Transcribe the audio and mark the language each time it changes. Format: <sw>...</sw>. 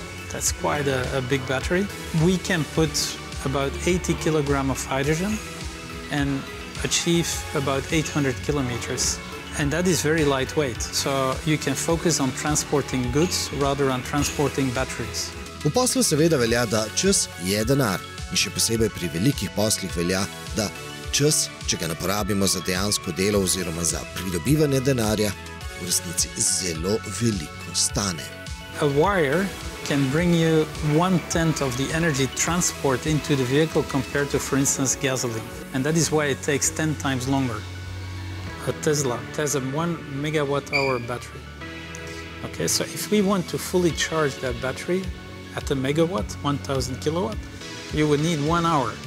<en>That's quite a big battery. We can put about 80 kilograms of hydrogen and achieve about 800 kilometers. And that is very lightweight, so you can focus on transporting goods rather than transporting batteries.</en> <sl>V poslu seveda velja, da čas je denar. In še posebej pri velikih poslih velja, da čas, če ga naporabimo za dejansko delo oziroma za pridobivanje denarja, v resnici zelo veliko stane.</sl> <en>A wire can bring you 1/10 of the energy transport into the vehicle compared to, for instance, gasoline. And that is why it takes 10 times longer. A Tesla, it has a 1 megawatt-hour battery. Okay, so if we want to fully charge that battery at a megawatt, 1,000 kilowatt, you would need 1 hour.</en>